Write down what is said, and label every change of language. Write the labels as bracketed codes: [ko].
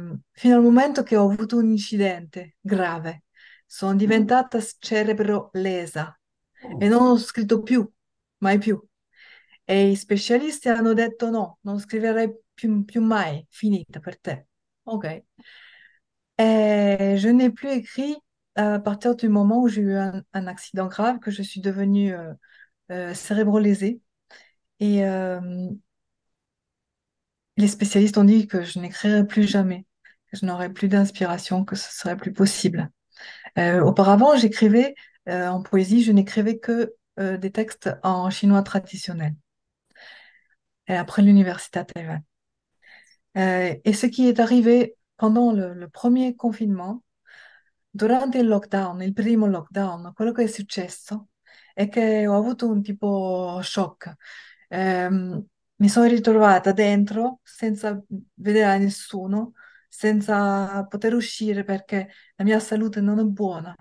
[it] Fino al momento che ho avuto un incidente grave, sono diventata cerebro lesa e non ho scritto più, mai più. E i specialisti hanno detto no, non scriverai più mai, finita per te. [en] Ok. [fr] Et je n'ai plus écrit à partir du moment où j'ai eu un accident grave, que je suis devenue cérébro-lésée. Les spécialistes ont dit que je n'écrirai plus jamais, que je n'aurai plus d'inspiration, que ce serait plus possible. Auparavant, j'écrivais en poésie, je n'écrivais que des textes en chinois traditionnel. Et après l'université à Taïwan. Et ce qui est arrivé pendant le premier confinement, [it] durante il lockdown, il primo lockdown, quello che è successo è che ho avuto un tipo shock. Mi sono ritrovata dentro senza vedere nessuno, senza poter uscire perché la mia salute non è buona.